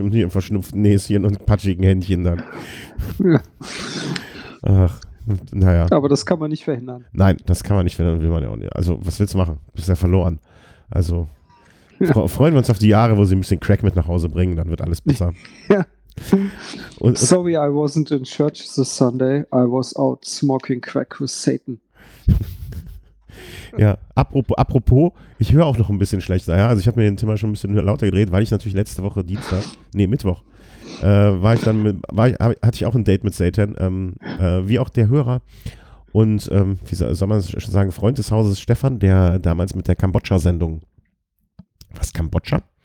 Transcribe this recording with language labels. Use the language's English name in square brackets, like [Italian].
[German] Und die verschnupften Näschen und patschigen Händchen dann. Ja. Ach, naja. Aber das kann man nicht verhindern. Nein, das kann man nicht verhindern. Will man ja auch nicht. Also, was willst du machen? Bist ja verloren. Also, ja. Freuen wir uns auf die Jahre, wo sie ein bisschen Crack mit nach Hause bringen. Dann wird alles besser. Ja. [English] Sorry, I wasn't in church this Sunday. I was out smoking crack with Satan. [German] Ja, apropos, ich höre auch noch ein bisschen schlechter. Ja? Also ich habe mir den Thema schon ein bisschen lauter gedreht, weil ich natürlich letzte Woche Mittwoch, hatte ich auch ein Date mit Satan, wie auch der Hörer und, wie soll man schon sagen, Freund des Hauses Stefan, der damals mit der Kambodscha-Sendung, was, Kambodscha?